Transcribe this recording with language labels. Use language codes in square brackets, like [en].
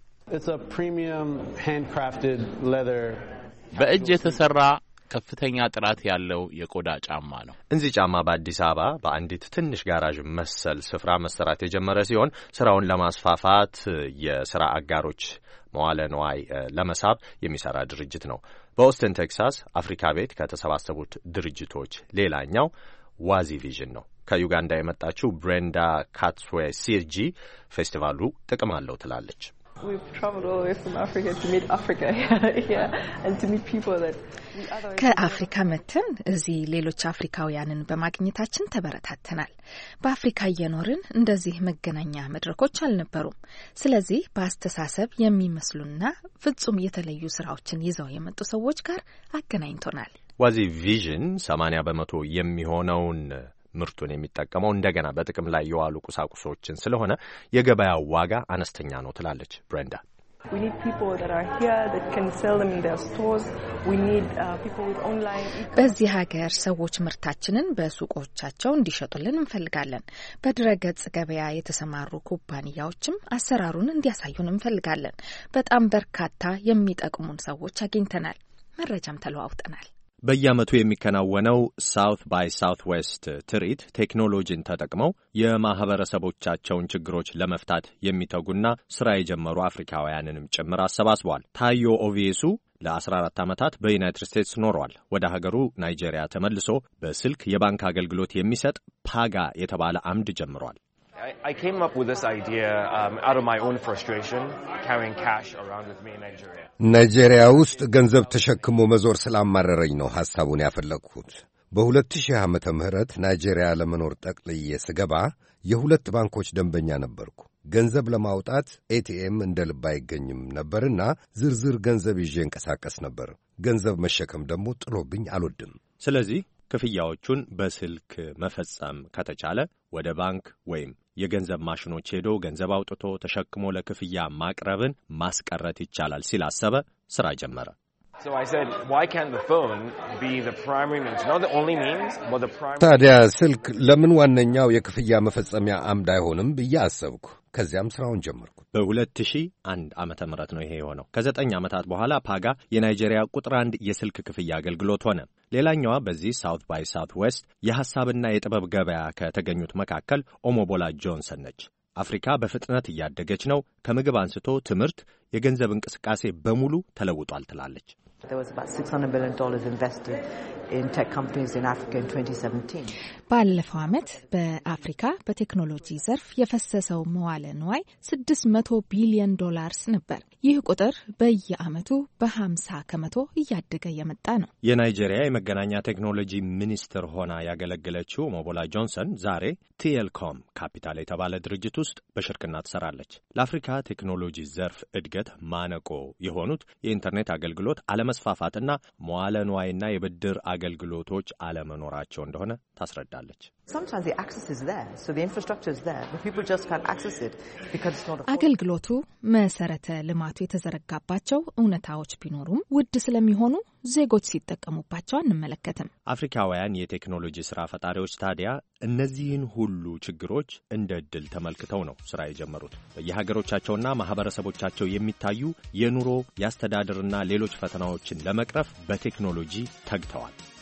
[en] It's a premium handcrafted leather. [am] በእጅ የተሰራ ከፍተኛ ጥራት ያለው የቆዳ ጫማ ነው። እንዚህ ጫማ በአዲስ አበባ በአንዲት ትንሽ ጋራዥ መሰል ስፍራ መሰራት የጀመረ ሲሆን ስራውን ለማስፋፋት የስራ አጋሮች መዋለ ንዋይ ለመሳብ የሚሰራ ድርጅት ነው። በኦስተን ቴክሳስ አፍሪካ ቤት ከተሰባሰቡት ድርጅቶች ሌላኛው ዋዚ ቪዥን ነው። ከዩጋንዳ የመጣችው ብሬንዳ ካትስዌ ሲርጂ ፌስቲቫሉ ጥቅም አለው ትላለች። [en] We've traveled all the way from Africa to meet Africa here and to meet people that [am] ከአፍሪካ መጥተን እዚህ ሌሎች አፍሪካውያንን በማግኘታችን ተበረታተናል። በአፍሪካ የኖርን እንደዚህ መገናኛ መድረኮች አልነበሩም። ስለዚህ በአስተሳሰብ የሚመስሉና ፍጹም የተለዩ ስራዎችን ይዘው የመጡ ሰዎች ጋር አገናኝቶናል። ዋዚ ቪዥን 80% የሚሆነውን ምርቱን የሚጠቀመው እንደገና በጥቅም ላይ የዋሉ ቁሳቁሶችን ስለሆነ የገበያው ዋጋ አነስተኛ ነው ትላለች ብሬንዳ። [en] We need people that are here that can sell them in their stores. We need people with online. [am] በዚህ ሀገር ሰዎች ምርታችንን በሱቆቻቸው እንዲሸጡልን እንፈልጋለን። በድረገጽ ገበያ የተሰማሩ ኩባንያዎችም አሰራሩን እንዲያሳዩን እንፈልጋለን። በጣም በርካታ የሚጠቅሙን ሰዎች አግኝተናል። መረጃም ተለዋውጠናል። በየዓመቱ የሚከናወነው ሳውት ባይ ሳውት ዌስት ትርኢት ቴክኖሎጂን ተጠቅመው የማኅበረሰቦቻቸውን ችግሮች ለመፍታት የሚተጉና ሥራ የጀመሩ አፍሪካውያንንም ጭምር አሰባስቧል። ታዮ ኦቪየሱ ለ14 ዓመታት በዩናይትድ ስቴትስ ኖሯል። ወደ ሀገሩ ናይጄሪያ ተመልሶ በስልክ የባንክ አገልግሎት የሚሰጥ ፓጋ የተባለ አምድ ጀምሯል። [en] I came up with this idea out of my own frustration carrying cash around with me in Nigeria. [am] Nigeria ውስጥ ገንዘብ ተሸክሞ መዞር ስላማረረኝ ነው ሐሳቡን ያፈለኩት። በ2000 ዓመተ ምህረት ናይጄሪያ ለመኖር ጠቅልዬ ስገባ የሁለት ባንኮች ደንበኛ ነበርኩ። ገንዘብ ለማውጣት ኤቲኤም እንደልብ አይገኝም ነበርና ዝርዝር ገንዘብ ይዤ እንቀሳቀስ ነበር። ገንዘብ መሸከም ደግሞ ጥሎብኝ አልወድም። ስለዚህ ክፍያዎቹን በስልክ መፈጸም ከተቻለ ወደ ባንክ ወይም የገንዘብ ማሽኖች ሄዶ ገንዘብ አውጥቶ ተሸክሞ ለክፍያ ማቅረብን ማስቀረት ይቻላል ሲላሰበ ስራ ጀመረ። [en] So I said, why can't the phone be the primary means? Not the only means, but the primary means. [am] ታዲያ ስልክ ለምን ዋነኛው የክፍያ መፈጸሚያ አምድ አይሆንም ብዬ አሰብኩ። ከዚያም ስራውን ጀመርኩ። በ2001 ዓመተ ምህረት ነው ይሄ የሆነው። ከ9 ዓመታት በኋላ ፓጋ የናይጄሪያ ቁጥር 1 የስልክ ክፍያ አገልግሎት ሆነ። ሌላኛዋ በዚህ ሳውት ባይ ሳውት ዌስት የሐሳብና የጥበብ ገበያ ከተገኙት መካከል ኦሞቦላ ጆንሰን ነች። አፍሪካ በፍጥነት ያደገች ነው። ከምግብ አንስቶ ትምርት የገንዘብ እንቅስቃሴ በሙሉ ተለውጧል ትላለች። [en] There was about $600 billion invested in tech companies in Africa in 2017. [am] ባለፈው አመት በአፍሪካ በቴክኖሎጂ ዘርፍ የፈሰሰው መዋለ ንዋይ $600 billion ነበር። ይህ ቁጥር በየአመቱ በ50% እያደገ የመጣ ነው። የናይጄሪያ የመገናኛ ቴክኖሎጂ ሚኒስትር ሆና ያገለገለችው ሞቦላ ጆንሰን ዛሬ TLCOM ካፒታል የተባለ ድርጅት ውስጥ በሽርክና ትሰራለች። ለአፍሪካ ቴክኖሎጂ ዘርፍ እድገት ማነቆ የሆኑት የኢንተርኔት አገልግሎት አለመስፋፋትና መዋለ ንዋይና የብድር አገልግሎቶች አለመኖራቸው እንደሆነ ታስረዳለች። [en] Sometimes the access is there, so the infrastructure is there, but people just can't access it because it's not affordable. [am] አገልግሎቱ መሰረተ ልማቱ የተዘረጋባቸው እውነታዎች ቢኖሩም ውድ ስለሚሆኑ ዜጎች ሲጠቀሙባቸው አንመለከተም። አፍሪካውያን የቴክኖሎጂ ስራ ፈጣሪዎች ታዲያ እነዚህን ሁሉ ችግሮች እንደ ድል ተመልክተው ነው ስራ የጀመሩት። በየሀገሮቻቸውና ማህበረሰቦቻቸው የሚታዩ የኑሮ ያስተዳደርና ሌሎች ፈተናዎችን ለመቅረፍ በቴክኖሎጂ ተግተዋል።